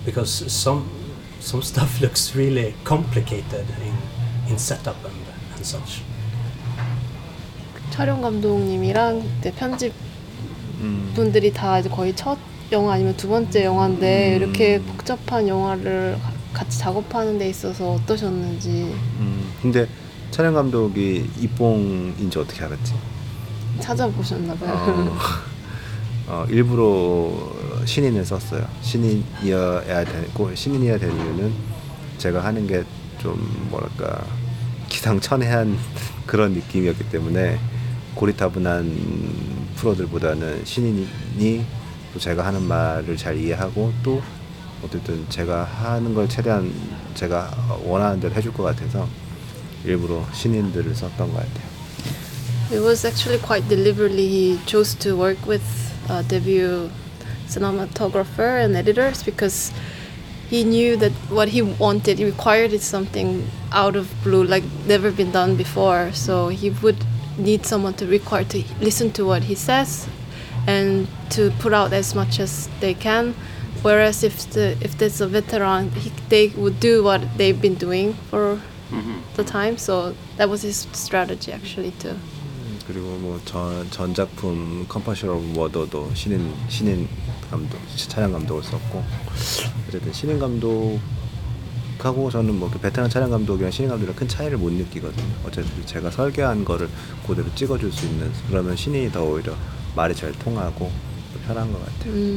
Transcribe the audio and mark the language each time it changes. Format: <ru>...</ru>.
<en>Because some stuff looks really complicated in setup and such.</en> <ko>촬영 감독님이랑 편집 분들이 다 이제 거의 첫 영화 아니면 두 번째 영화인데 이렇게 복잡한 영화를 같이 작업하는 데 있어서 어떠셨는지. 근데 촬영 감독이 이뽕인지 어떻게 알았지? 찾아보셨나봐요. 일부러 신인을 썼어요. 신인이어야 되고 신인이어야 되는 이유는 제가 하는 게 좀 뭐랄까 기상천외한 그런 느낌이었기 때문에 고리타분한 프로들보다는 신인이 또 제가 하는 말을 잘 이해하고 또 어쨌든 제가 하는 걸 최대한 제가 원하는 대로 해줄 것 같아서 일부러 신인들을 썼던 것 같아요.</ko> <en>It was actually quite deliberately he chose to work with a debut cinematographer and editors because he knew that what he wanted, he required is something out of blue, like never been done before. So he would need someone to require to listen to what he says and to put out as much as they can. Whereas if there's a veteran, they would do what they've been doing for the time. So that was his strategy actually too.</en> <ko>그리고 뭐 전 작품 컴파셜 오브 워더도 신인 감독 촬영 감독을 썼고 어쨌든 신인 감독하고 저는 뭐 그 베테랑 촬영 감독이랑 신인 감독이랑 큰 차이를 못 느끼거든요. 어쨌든 제가 설계한 거를 그대로 찍어줄 수 있는 그러면 신인이 더 오히려 말이 잘 통하고 편한 것 같아요.</ko>